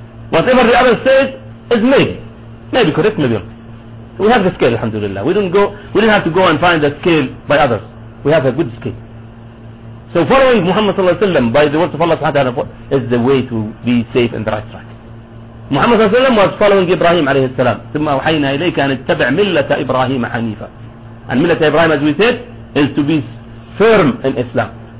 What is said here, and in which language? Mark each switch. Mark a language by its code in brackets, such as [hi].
[en] Whatever the other says, is maybe correct, maybe wrong. We have the scale, alhamdulillah. We didn't have to go and find the scale by others. We have a good scale. So following Muhammad sallallahu alayhi wa sallam by the words of Allah subhanahu wa ta'ala is the way to be safe and the right track. Muhammad sallallahu alayhi wa sallam was following Ibrahim alayhi wa sallam. [ar] ثم أوحينا إليك أن اتبع ملة إبراهيم حنيفة. [en] And ملة إبراهيم, as we said, is to be firm in Islam.